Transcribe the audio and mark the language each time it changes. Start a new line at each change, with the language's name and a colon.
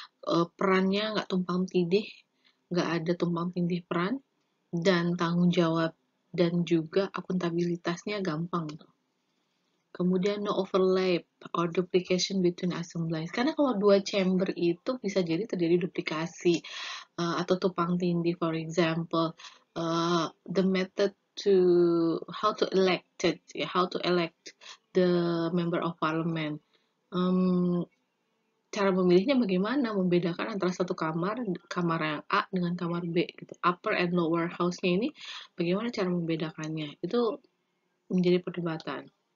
Indonesian: Perannya nggak tumpang tindih, nggak ada tumpang tindih peran dan tanggung jawab dan juga akuntabilitasnya gampang. Kemudian
English: no overlap or duplication between assemblies.
Indonesian: Karena kalau dua chamber itu bisa jadi terjadi duplikasi atau tumpang tindih.
English: For example, the method to how to elect it, yeah, how to elect the member of parliament.
Indonesian: Cara memilihnya bagaimana? Membedakan antara satu kamar, kamar yang A dengan kamar B, gitu.
English: Upper and lower house-nya
Indonesian: ini, bagaimana cara membedakannya? Itu menjadi perdebatan.